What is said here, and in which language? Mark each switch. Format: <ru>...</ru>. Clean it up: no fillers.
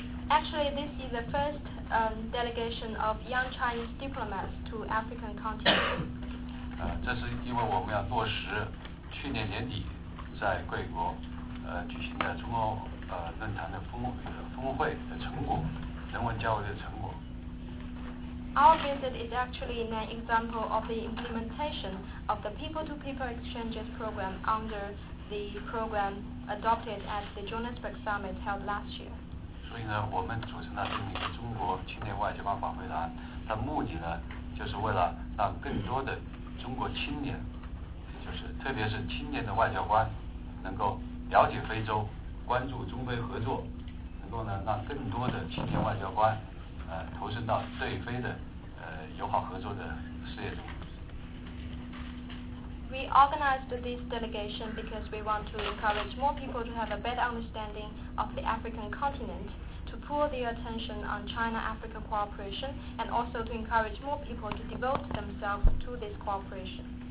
<en>Actually, this is the first delegation of young Chinese diplomats to African continent.</en> <zh>这是因为我们要落实去年年底在贵国举行的中欧论坛的峰会的成果，人文交流的成果。</zh> <en>Our visit is actually an example of the implementation of the people-to-people exchanges program under the program adopted at the Johannesburg Summit held last year.</en> <zh>所以呢，我们组成了这么一个中国青年外交官访会团，它目的呢，就是为了让更多的中国青年，就是特别是青年的外交官，能够了解非洲，关注中非合作，能够呢让更多的青年外交官，投身到对非的友好合作的事业中。</zh> <en>We organized this delegation because we want to encourage more people to have a better understanding of the African continent. To pull their attention on China-Africa cooperation and also to encourage more people to devote themselves to this cooperation.</en>